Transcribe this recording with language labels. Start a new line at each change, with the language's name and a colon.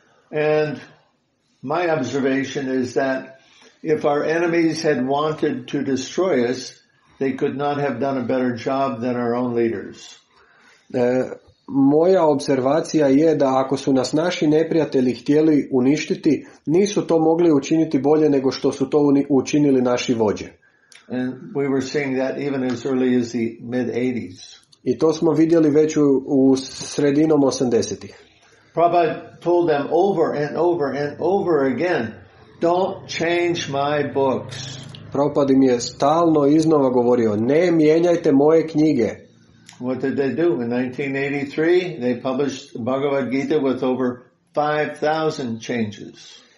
English: And my observation is that if our enemies had wanted to destroy us, they could not have done a better job than our own leaders.
Croatian: Moja observacija je da ako su nas naši neprijatelji htjeli uništiti, nisu to mogli učiniti bolje nego što su to učinili naši vođe.
English: And we were seeing that even as early as the mid 80s.
Croatian: I to smo vidjeli već u sredinom 80-ih.
English: Prabhupada told them over and over and over again Don't change my books.
Croatian: Prabhupada mi je stalno iznova govorio, ne mijenjajte moje knjige.
English: What did they do? In 1983, they published Bhagavad Gita with over 5,000 changes.